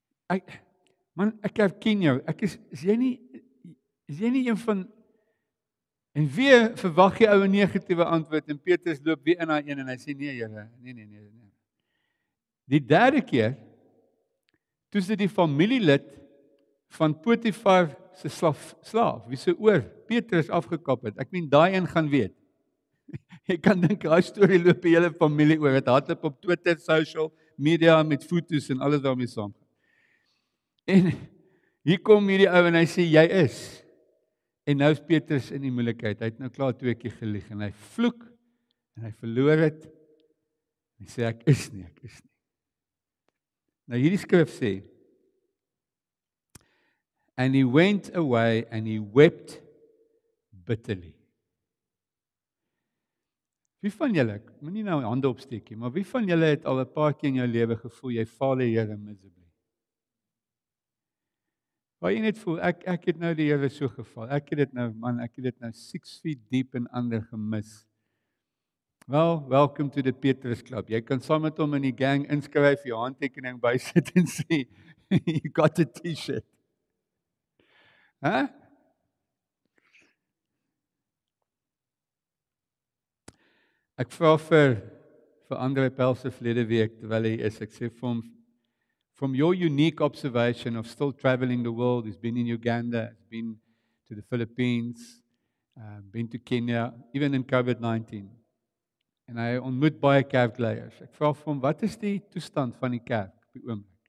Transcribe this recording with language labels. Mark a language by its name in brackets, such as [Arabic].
[Afrikaans] Ek herken jou. Is jy nie een van en weer verwag jy ou 'n negatiewe antwoord en Petrus loop weer in na een en hy sê nee. Die derde keer toe sit die familielid van Potifar se slaaf wie se oor Petrus afgekap het. Ek meen daai een gaan weet. Jy kan dink daai storie loop die hele familie oor. Dit hardloop op Twitter, social media met foto's en alles daarmee saam. En hier kom hierdie ou en hy sê jy is. En nou is Petrus in die moeilikheid. Hy het nou klaar twee keer gelieg en hy vloek en hy verloor dit. Hy sê ek is nie. Nou hierdie skrif sê [English] and he went away and he wept bitterly. [Afrikaans] Wie van julle, ek moet nie nou hande opsteek nie, maar wie van julle het al 'n paar keer in jou lewe gevoel jy faal die Here miserably? Waar jy net voel, ek het nou die Here so geval. Ek het dit nou 6 feet diep en ander gemis. Wel, [English] welcome to the Petrus Club. [Afrikaans] Jy kan saam met hom in die gang inskryf, jou handtekening bysit en sê, [English] you got a t-shirt. [Afrikaans] Hè? Huh? Ek vra vir Andre Pelser verlede week, terwyl hy is, ek sê vir hom, [English] from your unique observation of still traveling the world, he's been in Uganda, he's been to the Philippines, been to Kenya, even in COVID-19. [Afrikaans] En hy ontmoet baie kerkleiers. Ek vra vir hom, wat is die toestand van die kerk op die oomblik?